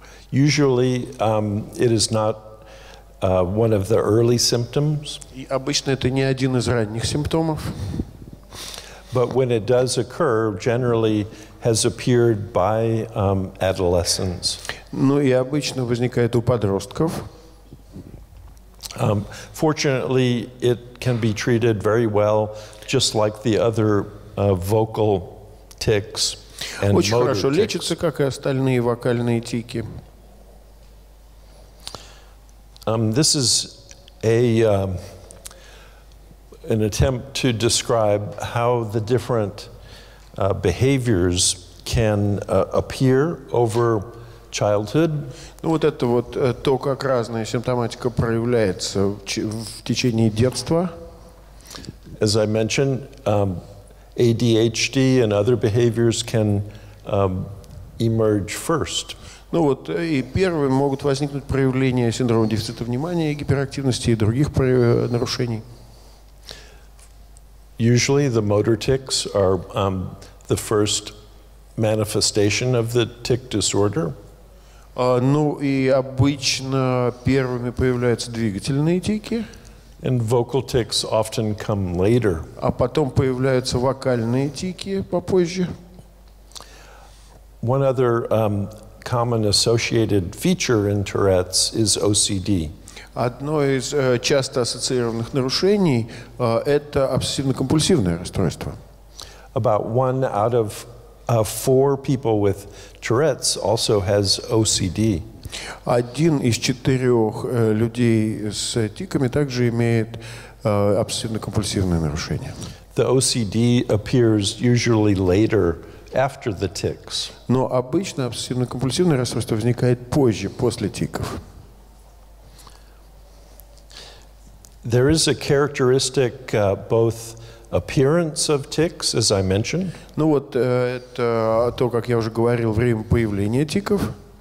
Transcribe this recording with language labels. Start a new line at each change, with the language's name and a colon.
English: Usually, it is not one of the early symptoms.
Russian: И обычно это не один из ранних симптомов.
English: But when it does occur, generally has appeared by adolescents.
Russian: Ну и обычно возникает у подростков.
English: Fortunately, it can be treated very well, just like the other vocal tics and motor tics.
Russian: Очень хорошо лечится,
English: tics.
Russian: Как и остальные вокальные тики.
English: This is an attempt to describe how the different behaviors can appear over childhood.
Russian: Ну вот это вот то, как разная симптоматика проявляется в течение детства.
English: As I mentioned, ADHD and other behaviors can emerge first.
Russian: Ну вот и первым могут возникнуть проявления синдрома дефицита внимания, гиперактивности и других нарушений.
English: Usually the motor tics are the first manifestation of the tic disorder.
Russian: Ну и обычно первыми появляются двигательные тики.
English: And vocal tics often come later.
Russian: А потом появляются вокальные тики попозже.
English: One other common associated feature in Tourette's is OCD.
Russian: Одно из часто ассоциированных нарушений это обсессивно-компульсивное расстройство.
English: About one out of four people with Tourette's also has OCD.
Russian: Один из четырех людей с тиками также имеет обсессивно-компульсивное нарушение.
English: The OCD appears usually later after the tics.
Russian: Но обычно обсессивно-компульсивное расстройство возникает позже, после тиков.
English: There is a characteristic both appearance of tics, as I mentioned.
Russian: Ну вот это то, как я уже говорил, время появления тиков.